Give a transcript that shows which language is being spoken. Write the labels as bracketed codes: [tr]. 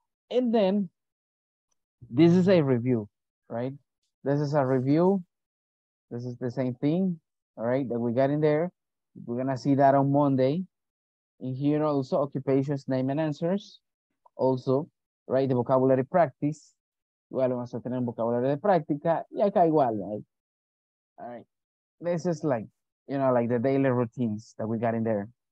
[en] And then, this is a review, right? This is a review. This is the same thing, all right, that we got in there. We're going to see that on Monday. In here also, occupations, name and answers. Also, right, the vocabulary practice. [es] Igual vamos a tener un vocabulario de práctica. Y acá igual, [en] right? All right. This is like, you know, like the daily routines that we got in there.